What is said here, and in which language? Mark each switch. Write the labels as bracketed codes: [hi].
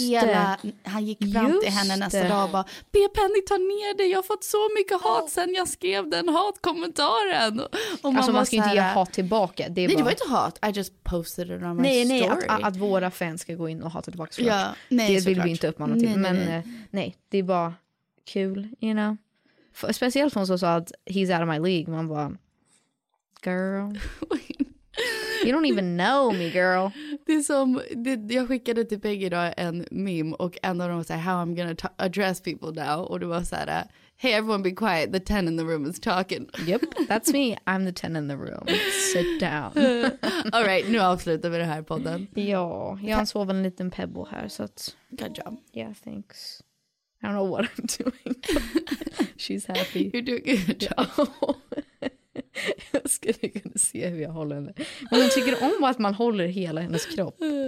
[sv] och hela, han gick fram just till henne nästa dag och bara, Be Penny, ta ner det, jag har fått så mycket hat sen jag skrev den hatkommentaren. Och alltså man ska ju inte ge hat tillbaka. Det nej, bara, det var inte hat, [en] I just posted it on my [sv] nej, [en] story. [sv] Nej, att våra fans ska gå in och hata tillbaka, ja, nej, det vill klart. Vi inte uppmana till. Nej, men nej, det är bara kul, [en] you know. [sv] Speciellt hon som sa att [en] he's out of my league. Man bara, girl, you don't even know me, girl. [sv] Det är som, jag skickade till Peggy idag en meme och en av dem var såhär, [en] how I'm gonna address people now. Och det var såhär, hey everyone be quiet, the 10 in the room is talking. Yep, that's me, I'm the 10 in the room. Sit down. [sv] All right, nu avslutar vi det här podden. Ja, jag har sovit en liten pebble här, så att, [en] good job. Yeah, thanks. I don't know what I'm doing. She's happy. You're doing good. [sv] Jag skulle kunna se hur jag håller henne. Men hon tycker om att man håller hela hennes kropp.